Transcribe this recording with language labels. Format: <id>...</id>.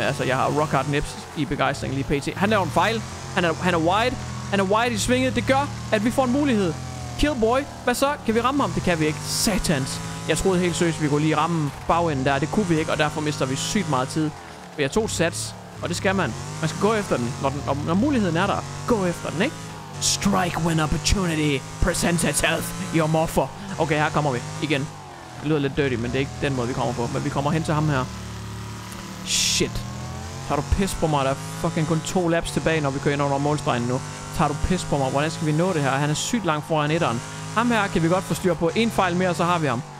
<da>Altså, jeg har</da> <en>rock hard nips</en> <da>i begejstring lige pt. Han laver en fejl. Han er wide. Han er wide i svinget. Det gør, at vi får en mulighed.</da> <en>Kill boy.</en> <da>Hvad så? Kan vi ramme ham? Det kan vi ikke. Satans. Jeg troede helt seriøst, vi kunne lige ramme bagenden der. Det kunne vi ikke, og derfor mister vi sygt meget tid. Men jeg tog sats, og det skal man. Man skal gå efter den, når muligheden er der. Gå efter den, ikke?</da> <en>Strike when opportunity presents itself, your morpher.</en> <da>Okay, her kommer vi igen. Det lyder lidt dirty, men det er ikke den måde, vi kommer på. Men vi kommer hen til ham her. Shit. Tager du pis på mig? Der er fucking kun 2 laps tilbage, når vi kører ind under målstregen nu. Tager du pis på mig? Hvordan skal vi nå det her? Han er sygt langt foran etteren. Ham her kan vi godt få styr på. En fejl mere, så har vi ham.</da>